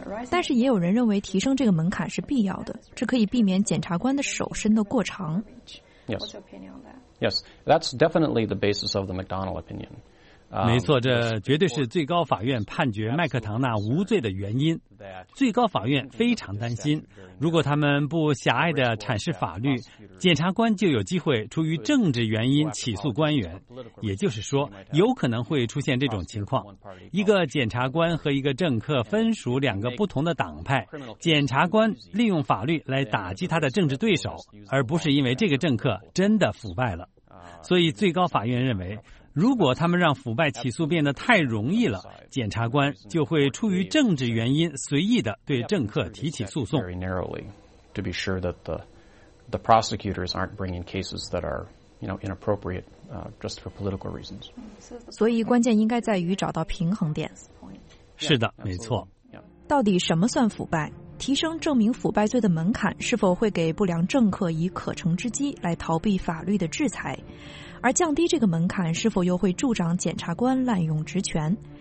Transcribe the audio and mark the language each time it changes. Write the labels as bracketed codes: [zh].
[zh] 但是也有人认为提升这个门槛是必要的，这可以避免检察官的手伸得过长。 [en] Yes, that's definitely the basis of the McDonnell opinion. [zh] 没错，这绝对是最高法院判决麦克唐纳无罪的原因。最高法院非常担心，如果他们不狭隘地阐释法律，检察官就有机会出于政治原因起诉官员，也就是说有可能会出现这种情况，一个检察官和一个政客分属两个不同的党派，检察官利用法律来打击他的政治对手，而不是因为这个政客真的腐败了。所以最高法院认为，如果他们让腐败起诉变得太容易了，检察官就会出于政治原因随意的对政客提起诉讼。 [en] Very narrowly, to be sure that the prosecutors aren't bringing cases that are, you know, inappropriate, just for political reasons. [zh] 所以关键应该在于找到平衡点。是的，没错。到底什么算腐败？提升证明腐败罪的门槛，是否会给不良政客以可乘之机来逃避法律的制裁？而降低这个门槛，是否又会助长检察官滥用职权？